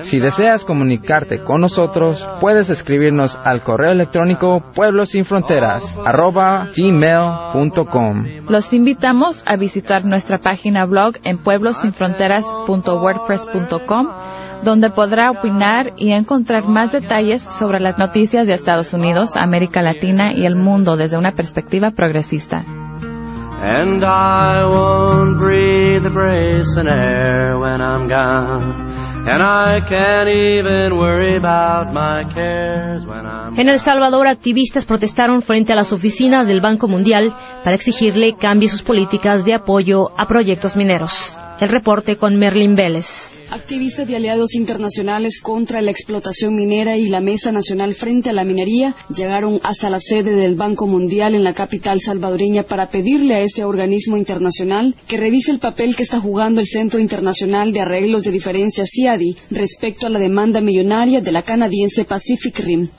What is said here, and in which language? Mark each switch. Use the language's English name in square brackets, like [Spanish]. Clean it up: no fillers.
[Spanish] Si deseas comunicarte con nosotros, puedes escribirnos al correo electrónico pueblosinfronteras@gmail.com. Los invitamos a visitar nuestra página blog en pueblosinfronteras.wordpress.com, donde podrá opinar y encontrar más detalles sobre las noticias de Estados Unidos, América Latina y el mundo desde una perspectiva progresista. [English] And I won't breathe the bracing air when I'm gone. And I can't even worry about my cares when I'm gone. [Spanish] En El Salvador, activistas protestaron frente a las oficinas del Banco Mundial para exigirle cambie sus políticas de apoyo a proyectos mineros. El reporte con Merlin Vélez. Activistas de Aliados Internacionales contra la Explotación Minera y la Mesa Nacional Frente a la Minería llegaron hasta la sede del Banco Mundial en la capital salvadoreña para pedirle a este organismo internacional que revise el papel que está jugando el Centro Internacional de Arreglos de Diferencias, CIADI, respecto a la demanda millonaria de la canadiense Pacific Rim.